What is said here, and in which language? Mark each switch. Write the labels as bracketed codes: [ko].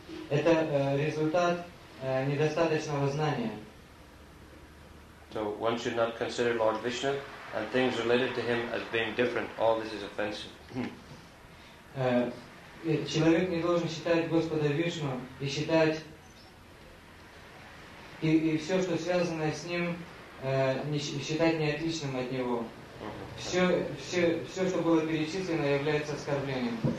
[ru] Это результат недостаточного знания. [en] So one should not consider Lord Vishnu and things related to him as being different. All this is offensive. [ru] Человек не должен считать Господа Вишну и считать и все, что связано с ним, считать неотличным от него. Все, что было перечислено, является оскорблением.